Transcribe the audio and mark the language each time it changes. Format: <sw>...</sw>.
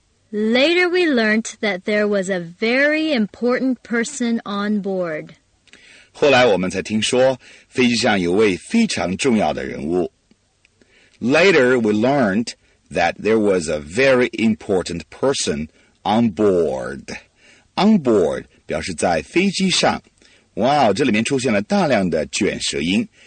<en>Later we learned that there was a very important person on board.</en> <zh>后来我们才听说飞机上有位非常重要的人物。</zh> <en>Later we learned that there was a very important person on board.</en> <zh>On board 表示在飞机上。哇、wow, 这里面出现了大量的卷舌音。</zh>